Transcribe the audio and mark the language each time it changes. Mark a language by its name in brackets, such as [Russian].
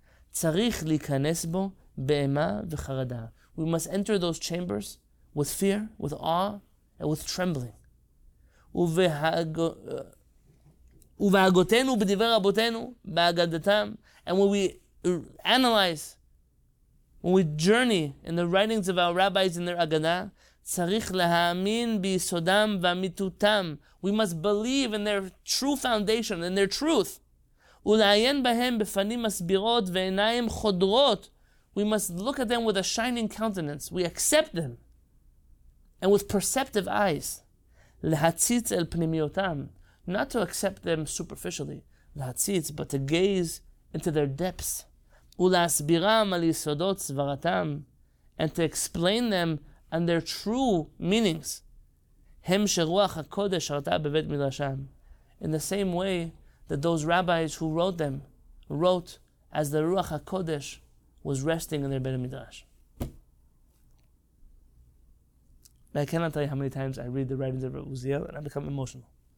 [Hebrew] צריך להיכנס בו באימה וחרדה. [English] We must enter those chambers with fear, with awe, and with trembling. [Hebrew] ובהגותינו בדברי רבותינו, באגדתם, [English] and when we analyze, when we journey in the writings of our rabbis in their Agadah, [Hebrew] צריך להאמין ביסודם ואמיתותם. [English] We must believe in their true foundation, in their truth. [Hebrew] ולעיין בהם בפנים מסבירות ועיניים חודרות. [English] We must look at them with a shining countenance. We accept them. And with perceptive eyes. [Hebrew] להציץ אל פנימיותם. [English] Not to accept them superficially. [Hebrew] להציץ, [English] but to gaze into their depths. [Hebrew] ולהסבירם על יסודות סברתם. [English] And to explain them and their true meanings. [Hebrew] הם שרוח הקודש שרתה בבית מדרשם. [English] In the same way that those rabbis who wrote them wrote as the Ruach HaKodesh was resting in their Beit HaMidrash. I cannot tell you how many times I read the writings of Rabbi Uziel and I become emotional.